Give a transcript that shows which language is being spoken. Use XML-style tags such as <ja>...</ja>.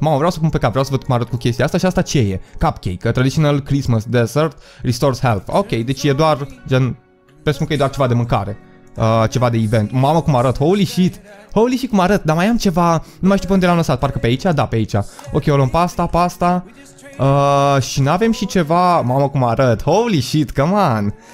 <ro>Mamă, vreau să pun pe cap, vreau să văd cum arăt cu chestia asta. Și asta ce e?</ro> <en>Cupcake, a traditional Christmas dessert, restores health.</en> <ro>Ok, deci e doar, gen, presupun că e doar ceva de mâncare. Ceva de event. Mamă cum arăt,</ro> <en>holy shit.</en> <ro>Holy shit cum arăt, dar mai am ceva. Nu mai știu pe unde l-am lăsat, parcă pe aici? Da, pe aici. Ok, o luăm pasta, pasta. Și n-avem și ceva. Mamă cum arăt,</ro> <en>holy shit, come on.</en>